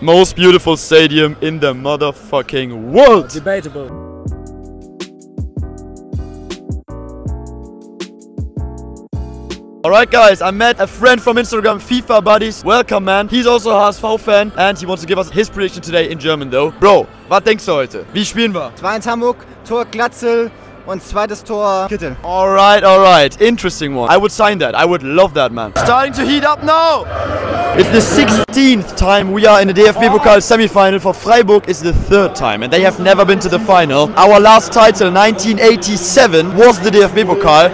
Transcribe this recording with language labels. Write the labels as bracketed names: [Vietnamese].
[English] Most beautiful stadium in the motherfucking world. Debatable. Alright, guys, I met a friend from Instagram, FIFA Buddies. Welcome, man. He's also a HSV fan and he wants to give us his prediction today in German, though. [German] Bro, was denkst du heute? Wie spielen wir? 2-1 Hamburg, Tor Glatzel und zweites Tor Kittel. [English] Alright. Interesting one. I would sign that. I would love that, man. Starting to heat up now. It's the 16th time we are in the DFB Pokal semi-final. For Freiburg, it's the 3rd time and they have never been to the final. Our last title, 1987, was the DFB Pokal.